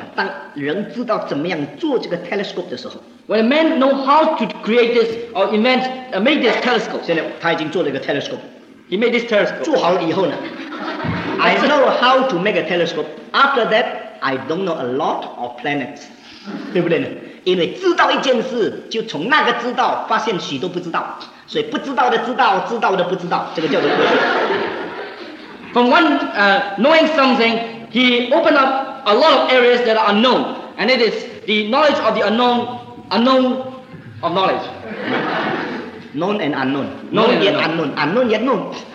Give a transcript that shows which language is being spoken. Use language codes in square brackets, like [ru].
[zh] 当人知道怎么样做这个 telescope 的时候 [en] ，When a man know how to create this or invent or make this telescope， [zh] 现在他已经做了一个 telescope。 [en] He made this telescope。 [zh] 做好了以后呢？ [en] I know how to make a telescope. After that, I don't know a lot of planets. [zh] 对不对呢？因为知道一件事，就从那个知道发现许多不知道，所以不知道的知道，知道的不知道，这个叫做科学。 [en] From one, knowing something, he opened up a lot of areas that are unknown, and it is the knowledge of the unknown, unknown of knowledge. Known and unknown, known yet unknown, unknown yet known.